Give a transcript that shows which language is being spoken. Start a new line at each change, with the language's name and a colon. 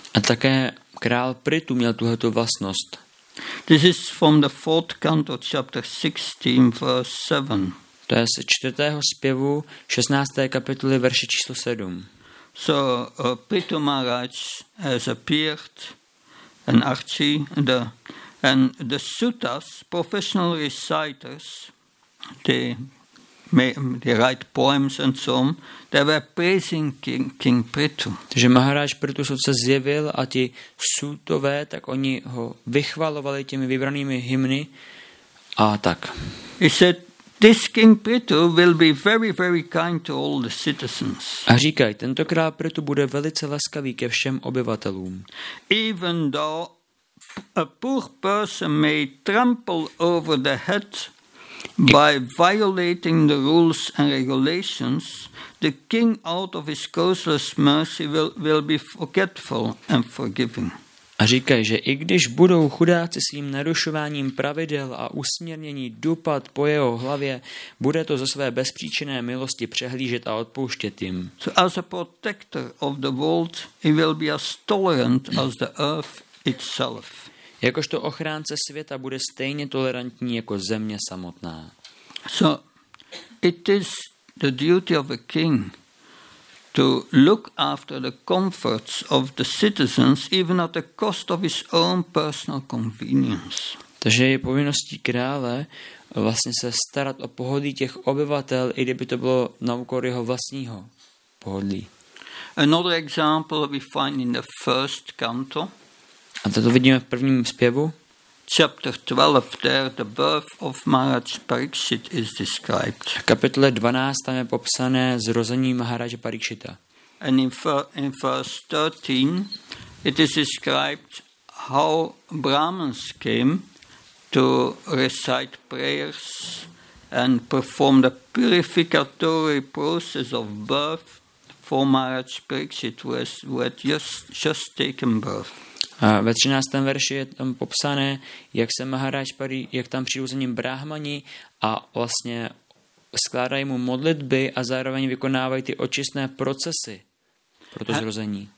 Czech: A také král Prithu měl tuhleto vlastnost.
English: This is from the fourth canto, chapter 16, verse 7.
Czech: To je z čtvrtého zpěvu, 16. kapitoly, verše číslo 7.
English: So Prithu Maharaj has appeared, an archi, and the suttas, professional reciters, they write poems and so on. They were praising King Prithu.
Czech: Takže Maharaj Prithu se zjevil a ti sutové, tak oni ho vychvalovali těmi vybranými hymny a tak.
English: He said, this King Prithu will be very, very kind to all the citizens.
Czech: A říkaj, tento král Prithu bude velice laskavý ke všem obyvatelům.
English: Even though a poor person may trample over the head by violating the rules and regulations, the king out of his causeless mercy will be forgetful and forgiving.
Czech: A říkaj, že i když budou chudáci svým narušováním pravidel a usměrnění dupat po jeho hlavě, bude to ze své bezpříčinné milosti přehlížet a odpouštět jim.
English: So as a protector of the world, he will be as tolerant as the earth itself.
Czech: Jakožto ochránce světa bude stejně tolerantní jako země samotná.
English: So it is the duty of a king to look after the comforts of the citizens even at the cost of his own personal convenience.
Czech: Takže je povinností krále vlastně se starat o pohodlí těch obyvatel, i kdyby to bylo na úkor jeho vlastního pohodlí.
English: Another example we find in the first canto.
Czech: A to vidíme v prvním zpěvu.
English: Chapter 12, there the birth of Maharaj Parikshit is described.
Czech: V kapitole 12 tam je popsané zrození Maharaja Parikshita.
English: And in verse 13, it is described how Brahmins came to recite prayers and perform the purificatory process of birth for Maharaj Parikshit, who had just taken birth.
Czech: A ve 13. verši je tam popsané, jak se Maharaj Pari, jak tam přijdu za ním brahmani a vlastně skládají mu modlitby a zároveň vykonávají ty očistné procesy pro to zrození.